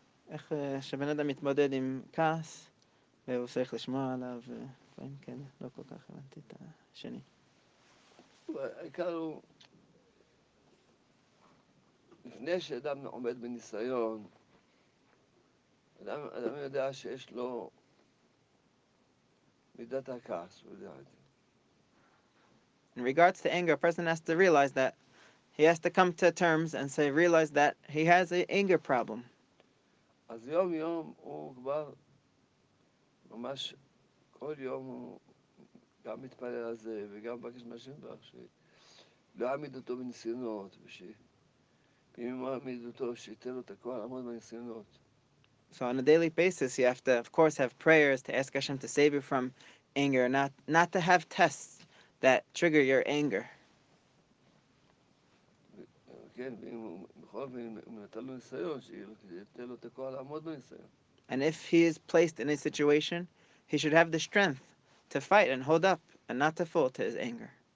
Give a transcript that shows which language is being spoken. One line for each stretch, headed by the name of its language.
Hebrew: איך שבן אדם מתמודד עם כעס, והוא צריך לשמוע עליו, ואין כאלה, לא כל כך הבנתי את השני. העיקר הוא, לפני שאדם עומד בניסיון, אדם יודע שיש לו מידת הכעס, הוא יודע את זה.
English: In regards to anger, a person has to realize that he has to come to terms and say, realize that he has an anger problem.
Hebrew: אז יום יום הוא כבר ממש כל יום הוא גם מתפלל על זה וגם בקש משם בך שלא עמיד אותו בניסיונות ושאם הוא עמיד אותו שייתן לו את הכל לעמוד בניסיונות.
English: So on a daily basis, you have to, of course, have prayers to ask Hashem to save you from anger, not to have tests that trigger your anger. And if he is placed in a situation, he should have the strength to fight and hold up and not to fall to his anger.